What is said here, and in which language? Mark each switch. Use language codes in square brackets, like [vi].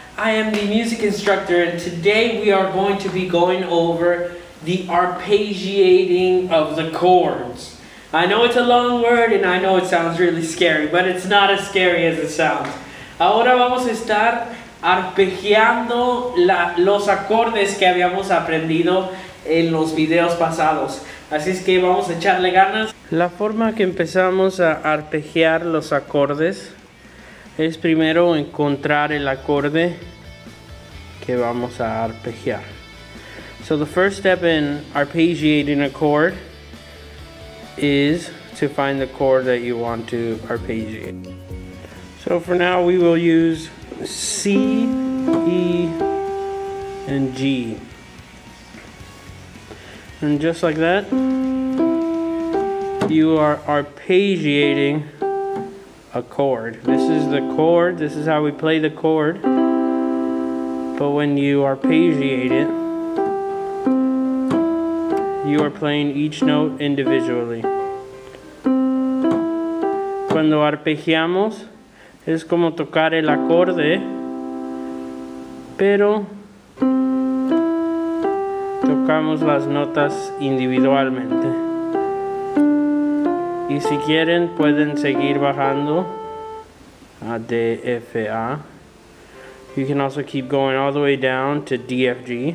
[en] I am the music instructor, and today we are going to be going over the arpeggiating of the chords. I know it's a long word and I know it sounds really scary, but it's not as scary as it sounds. [es] Ahora vamos a estar arpegiando los acordes que habíamos aprendido en los videos pasados. Así es que vamos a echarle ganas. La forma que empezamos a arpegiar los acordes es primero encontrar el acorde que vamos a arpegiar. [en] So the first step in arpeggiating a chord is to find the chord that you want to arpeggiate. So for now we will use C, E, and G. And just like that, you are arpeggiating a chord. This is the chord, this is how we play the chord. But when you arpeggiate it, you are playing each note individually. [es] Cuando arpegiamos, es como tocar el acorde, pero tocamos las notas individualmente. Y si quieren, pueden seguir bajando a D, F, A. [en] You can also keep going all the way down to D, F, G.